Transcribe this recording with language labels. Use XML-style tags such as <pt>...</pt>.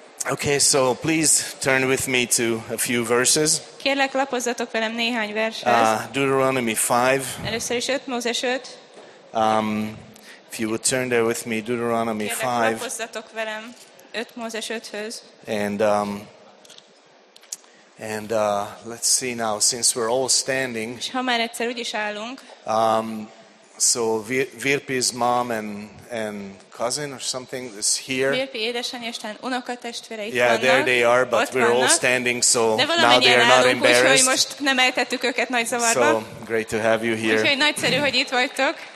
<en>Okay, so please turn with me to a few verses.</en> <hu>Kérlek, lapozzatok velem néhány verset.</hu> <en>Deuteronomy 5.</en> <hu>Először is 5, Mózes 5.</hu> <en>If you would turn there with me, Deuteronomy 5.</en> <hu>Lapozzatok velem 5 Mózes 5-höz.</hu> <en>And let's see now, since we're all standing.</en> <hu>És ha már egyszer úgy is állunk.</hu> <en>So Virpi's mom and cousin or something is here.</en> <hu>Virpi édesanyja és unokatestvére itt vannak.</hu> <en>Yeah, there they are, but we're all standing, so now they are not embarrassed.</en> <hu>Úgyhogy most nem eltettük őket nagy zavarba.</hu> <en>So great to have you here.</en> <hu>Úgyhogy nagyszerű, hogy itt vagytok.</hu>